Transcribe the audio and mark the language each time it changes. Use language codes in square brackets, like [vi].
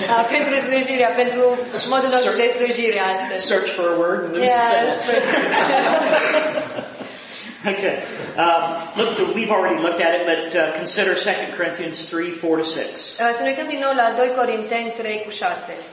[ro] pentru slujirea, pentru modul nostru de slujire astăzi. [en] Search for a word and lose the sentence. Okay. Look, we've already looked at it, but consider 2 Corinthians 3:4-6. [ro] Să ne uităm din nou la 2 Corinteni 3:6.